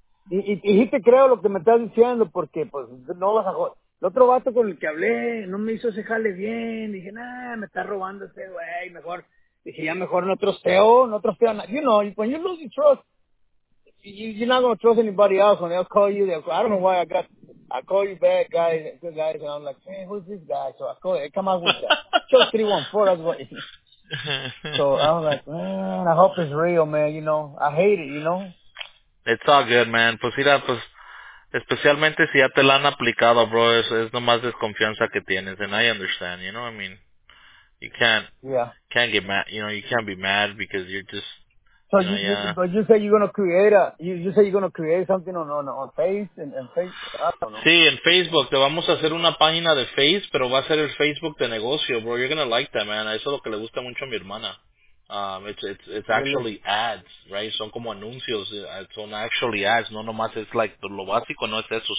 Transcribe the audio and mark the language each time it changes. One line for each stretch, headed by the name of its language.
Spanish: Y sí te creo lo que me estás diciendo, porque pues no vas a joder. El otro vato con el que hablé no me hizo ese jale bien. Dije, nah, me está robando este güey, mejor. Dije, ya mejor no trosteo, no trosteo.
English: You know, when you lose your trust, you're not going to trust anybody else. When they'll call you, I don't know why I call you bad guys, good guys, and I'm like, man, who's this guy? So I call you, come out with that. Show 314, that's what it is. So I was like, man, I hope it's real, man, you know. I hate it, you know. It's all good, man.
Spanish: Pues mira, pues, especialmente si ya te la han aplicado, bro, es nomás desconfianza que tienes.
English: And I understand, you know what I mean? You can't get mad, you know, you can't be mad because you're just, But you say you're going to create you say you're going to create something on Facebook?
Spanish: Sí, en Facebook. Te vamos a hacer una página de Face, pero va a ser el Facebook de negocio, bro.
English: You're going to like that, man.
Spanish: Eso es lo que le gusta mucho a mi hermana.
English: It's actually ads, right?
Spanish: Son como anuncios. Son
English: actually ads.
Spanish: No nomás es like, lo básico no es eso.